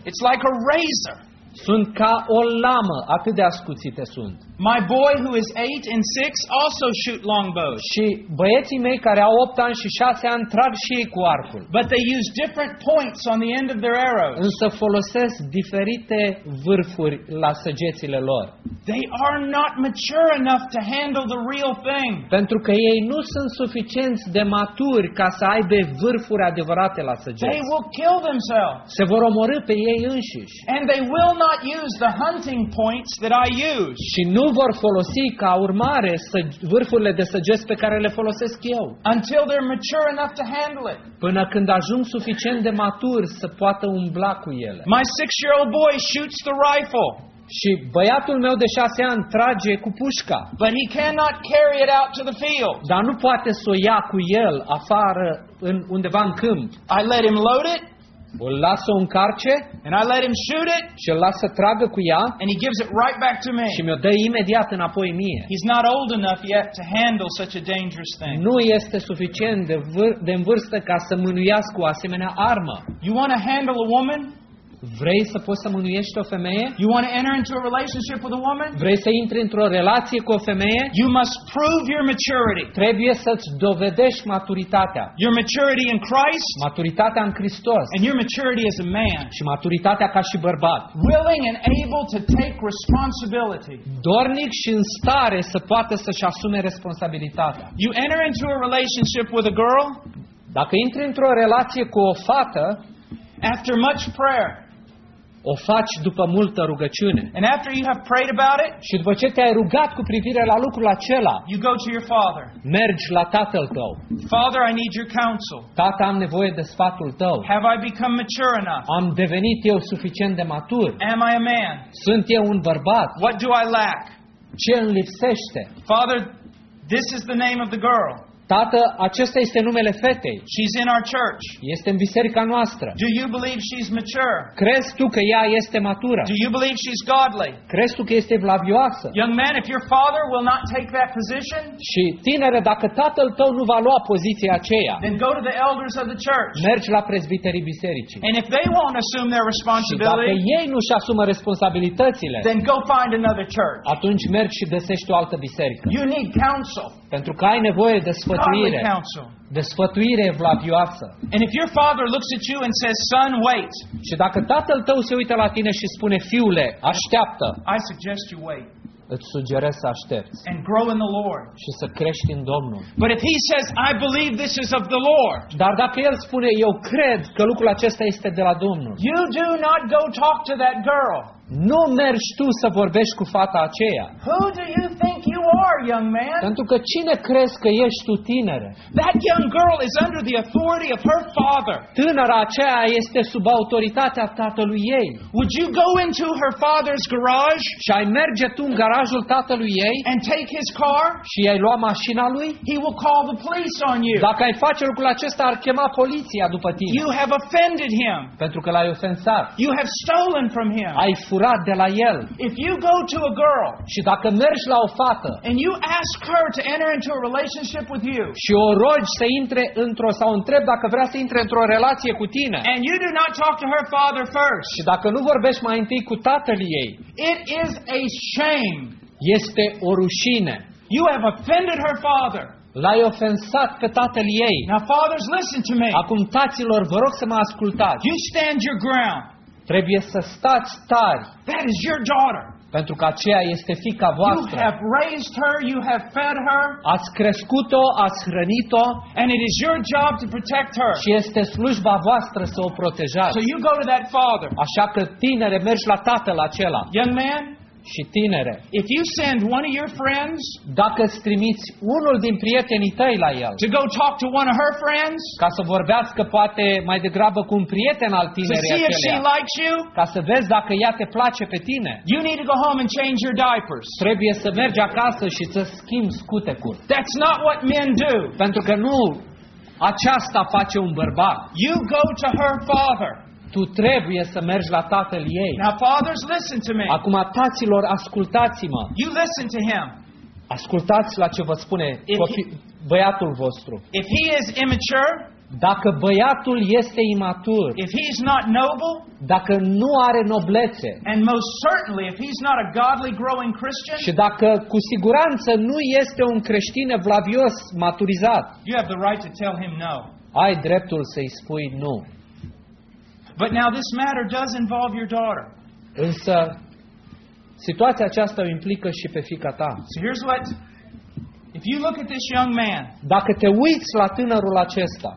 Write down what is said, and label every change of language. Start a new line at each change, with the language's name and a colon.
English: It's like a razor.
Romanian: Sunt ca o lamă, atât de ascuțite sunt.
English: My boy who is 8 and 6 also shoot longbows.
Romanian: Și băieții mei care au 8 ani și 6 ani trag și ei cu arcul.
English: But they use different points on the end of their arrows.
Romanian: Însă folosesc diferite vârfuri la săgețile lor.
English: They are not mature enough to handle the real thing.
Romanian: Pentru că ei nu sunt suficienți de maturi ca să aibă vârfuri adevărate la săgeți.
English: They will kill themselves.
Romanian: Se vor omorî pe ei înșiși.
English: And they will not use the hunting points that I use.
Romanian: Și nu vor folosi ca urmare vârfurile de săgeți pe care le folosesc eu.
English: Until they're mature enough to handle it.
Romanian: Până când ajung suficient de maturi să poată umbla cu ele.
English: My 6-year-old boy shoots the rifle.
Romanian: Și băiatul meu de 6 ani trage cu pușca.
English: But he cannot carry it out to the field.
Romanian: Dar nu poate să o ia cu el afară în undeva în câmp.
English: I let him load it.
Romanian: O las să o încarce.
English: And I let him shoot it.
Romanian: Și o las să tragă cu ea.
English: And he gives it right back to me.
Romanian: Și mi-o dă imediat înapoi mie.
English: He's not old enough yet to handle such a dangerous thing.
Romanian: Nu este suficient de în vârstă ca să mânuiască o asemenea armă.
English: You want to handle a woman?
Romanian: Vrei să poți să mânuiești o femeie?
English: You want to enter into a relationship with a woman?
Romanian: Vrei să intri într-o relație cu o femeie?
English: You must prove your maturity.
Romanian: Trebuie să-ți dovedești maturitatea.
English: Your maturity in Christ.
Romanian: Maturitatea în Hristos.
English: And your maturity as a man.
Romanian: Și maturitatea ca și bărbat.
English: Willing and able to take responsibility.
Romanian: Dornic și în stare să poată să-și asume responsabilitatea.
English: You enter into a relationship with a girl.
Romanian: Dacă intri într-o relație cu o fată,
English: after much prayer,
Romanian: o faci după multă rugăciune.
English: And after you have prayed about it,
Romanian: și după ce te-ai rugat cu privire la lucrul acela,
English: you go to your father.
Romanian: Mergi la tatăl tău.
English: Father, I need your counsel.
Romanian: Tată, am nevoie de sfatul tău.
English: Have I become mature enough?
Romanian: Am devenit eu suficient de matur?
English: Am I a man?
Romanian: Sunt eu un bărbat?
English: What do I lack?
Romanian: Ce îmi lipsește?
English: Father, this is the name of the girl.
Romanian: Tată, acesta este numele fetei.
English: She's in our church.
Romanian: Este în biserica noastră.
English: Do you believe she's mature?
Romanian: Crezi tu că ea este matură?
English: Do you believe she's godly?
Romanian: Crezi tu că este vlavioasă?
English: Young man, if your father will not take that position,
Romanian: și tinere, dacă tatăl tău nu va lua poziția aceea,
English: then go to the elders of the church.
Romanian: Mergi la prezbiterii bisericii.
English: And if they won't assume their responsibility,
Romanian: și dacă ei nu-și asumă responsabilitățile,
English: then go find another church.
Romanian: Atunci mergi și găsești o altă biserică.
English: You need counsel.
Romanian: Pentru că ai nevoie de sfătuire. De sfătuire vlavioasă.
English: And if your father looks at you and says, son, wait.
Romanian: Și dacă tatăl tău se uită la tine și spune, fiule, așteaptă.
English: I suggest you wait.
Romanian: Îți sugerez să aștepți.
English: And grow in the Lord.
Romanian: Și să crești în Domnul.
English: But if he says, I believe this is of the Lord.
Romanian: Dar dacă el spune, eu cred că lucrul acesta este de la Domnul.
English: You do not go talk to that girl.
Romanian: Nu mergi tu să vorbești cu fata aceea.
English: Who do you think you are, young man?
Romanian: Pentru că cine crezi că ești tu, tinere?
English: That young girl is under the authority of her father.
Romanian: Tânăra aceea este sub autoritatea tatălui ei.
English: Would you go into her father's garage?
Romanian: Și ai merge tu în garajul tatălui ei?
English: And take his car?
Romanian: Și ai lua mașina lui?
English: He will call the police on you.
Romanian: Dacă ai face lucrul acesta, ar chema poliția după tine.
English: You have offended him.
Romanian: Pentru că l-ai ofensat.
English: You have stolen from him.
Romanian: Ai furat de la el.
English: If you go to a girl,
Romanian: și dacă mergi la o fată,
English: and you ask her to enter into a relationship with you,
Romanian: și o rogi să intre într-o, sau întreb dacă vrea să intre într-o relație cu tine,
English: and you do not talk to her father first,
Romanian: și dacă nu vorbești mai întâi cu tatăl ei,
English: it is a shame.
Romanian: Este o rușine.
English: You have offended her father.
Romanian: L-ai ofensat pe tatăl ei.
English: Now fathers, listen to me.
Romanian: Acum taților, vă rog să mă ascultați.
English: You stand your ground.
Romanian: Trebuie să stați tari.
English: That is your daughter.
Romanian: Pentru că aceea este fiica voastră.
English: You have raised her, you have fed her.
Romanian: Ați crescut-o, ați hrănit-o.
English: And it is your job to protect her.
Romanian: Și este slujba voastră să o protejați.
English: So you go to that father.
Romanian: Așa că tinere, mergi la tatăl acela.
English: Young man.
Romanian: Și tinere.
English: If you send one of your friends,
Romanian: dacă îți trimiți unul din prietenii tăi la el,
English: to go talk to one of her friends,
Romanian: ca să vorbească poate mai degrabă cu un prieten al tinerii acelea,
English: to see if she likes you,
Romanian: ca să vezi dacă ea te place pe tine,
English: you need to go home and change your diapers.
Romanian: Trebuie să mergi acasă și să schimbi scutecul.
English: That's not what men do.
Romanian: Pentru că nu aceasta face un bărbat.
English: You go to her father.
Romanian: Tu trebuie să mergi la tatăl ei.
English: Now, fathers, listen to me.
Romanian: Acum, taților, ascultați-mă.
English: You listen to him.
Romanian: Ascultați la ce vă spune băiatul vostru.
English: If he is immature,
Romanian: Dacă băiatul este imatur,
English: if he's not noble,
Romanian: dacă nu are noblețe,
English: and most certainly if he's not a godly growing Christian,
Romanian: și dacă cu siguranță nu este un creștin evlavios, maturizat,
English: you have the right to tell him no.
Romanian: Ai dreptul să-i spui nu.
English: But now this matter does involve your daughter.
Romanian: Însă situația aceasta o implică și pe fiica ta.
English: So here's what. If you look at this young man,
Romanian: dacă te uiți la tânărul acesta,